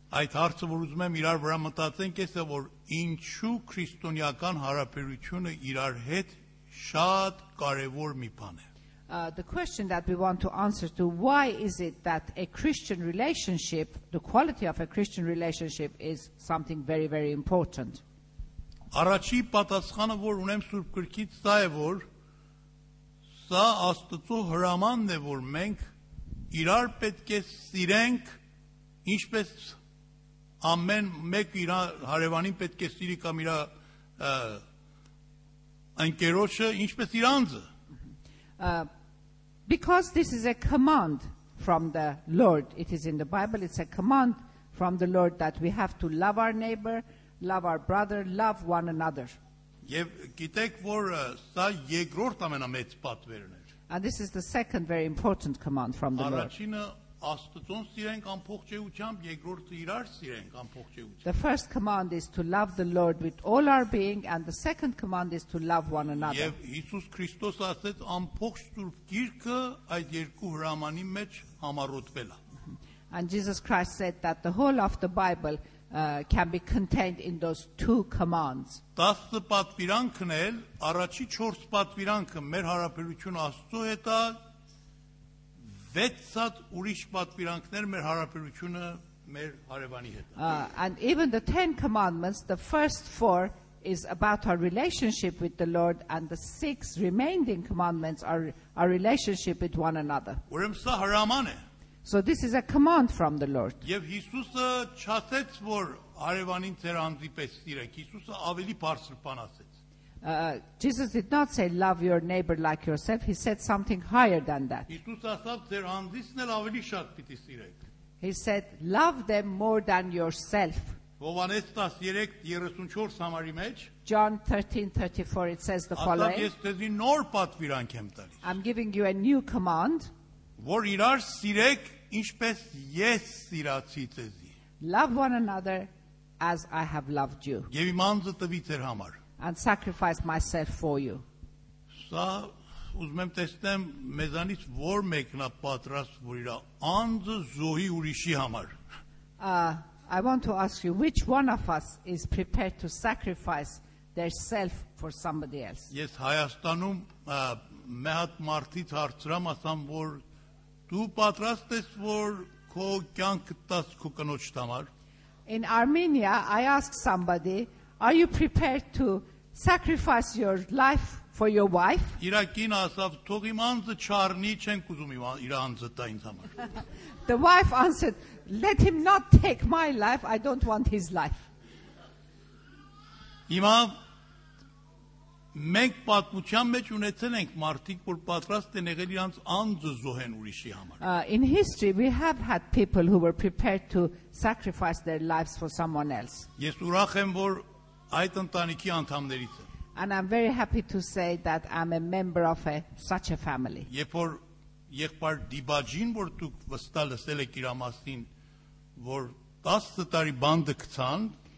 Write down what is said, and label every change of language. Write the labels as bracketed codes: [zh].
[hy] Այդ հարցը, որ ուզում եմ իրար վրա մտածենք, էս է, որ ինչու քրիստոնեական հարաբերությունը իրար հետ շատ կարևոր մի բան է։ [en] The question that we want to answer to, why is it that a Christian relationship, the quality of a Christian relationship is something very, very important? [hy] Առաջի պատասխանը, որ ունեմ Սուրբ Գրքից, սա է, որ սա Աստծո հրամանն է, որ մենք իրար պետք է սիրենք, ինչպես ամեն մեկ իր հարևանին պետք է սիրի կամ իր ընկերոջը, ինչպես իր անձը։ [en] Because this is a command from the Lord, it is in the Bible, it's a command from the Lord that we have to love our neighbor, love our brother, love one another. [hy] Եվ գիտեք, որ սա երկրորդ ամենամեծ պատվերն է։ [en] And this is the second very important command from the Lord. [hy] Առաջինը Աստծուն սիրենք ամբողջ ճեությամբ, երկրորդը իրար սիրենք ամբողջ ճեությամբ. [en] The first command is to love the Lord with all our being and the second command is to love one another. [hy] Եվ Հիսուս Քրիստոս ասեց, ամբողջ Սուրբ Գիրքը այդ երկու հրամանի մեջ համառոտվել է։ [en] And Jesus Christ said that the whole of the Bible can be contained in those two commands. [hy] Տասը պատվիրանքն էլ, առաջի 4 պատվիրանքը մեր հարաբերությունը Աստծո հետ է, 600 ուրիշ պատվիրանքներ մեր հարաբերությունը մեր հարևանի հետ։ [en] And even the 10 commandments, the first 4 is about our relationship with the Lord and the 6 remaining commandments are our relationship with one another. [hy] Ուրեմն սա հրաման է։ [en] So this is a command from the Lord. [hy] Եվ Հիսուսը չասեց, որ հարևանին ձեր անձիպես սիրեք. Հիսուսը ավելի բարձր բան ասեց. [en] Jesus did not say love your neighbor like yourself. He said something higher than that. [hy] Հիսուսը ասաց, ձեր անձին էլ ավելի շատ պիտի սիրեք. [en] He said love them more than yourself. [hy] Հովանես 13:34 համարի մեջ [en] John 13:34 it says the following. [hy] Ասաց, ես դեզի նոր պատվիրան եմ տալիս. [en] I'm giving you a new command. [hy] Որ իրար սիրեք, ինչպես ես սիրացի ձեզի. [en] Love one another as I have loved you. [hy] Եվ իմ անձը տվի ձեր համար. [en] And sacrificed myself for you. [hy] Սա ուզում եմ տեսնեմ մեզանից որ մեկն է պատրաստ, որ իր անձը զոհի ուրիշի համար. [en] I want to ask you, which one of us is prepared to sacrifice their self for somebody else? [hy] Ես Հայաստանում մի հատ մարդից հարցրամ, ասամ, որ դու պատրաստ ես, որ քո կյանքը տաս քո կնոջ համար? [en] In Armenia, I asked somebody, are you prepared to sacrifice your life for your wife? [hy] Իրակին ասավ, թող իմ անձը չառնի, չենք ուզում իր անձը տա ինձ համար. [en] The wife answered, let him not take my life, I don't want his life. [hy] Հիմա մենք պատմության մեջ ունեցել ենք մարդիկ, որ պատրաստ են եղել իրանց անձը զոհեն ուրիշի համար. [en] In history we have had people who were prepared to sacrifice their lives for someone else. [hy] Ես ուրախ եմ, որ այդ ընտանիքի անդամներից եմ. [en] And I'm very happy to say that I'm a member of such a family. [hy] Երբ որ եղբայր Դիբաջին, որ դուք վստահ լսել եք իր մասին, որ 10 տարի բանդը կցան,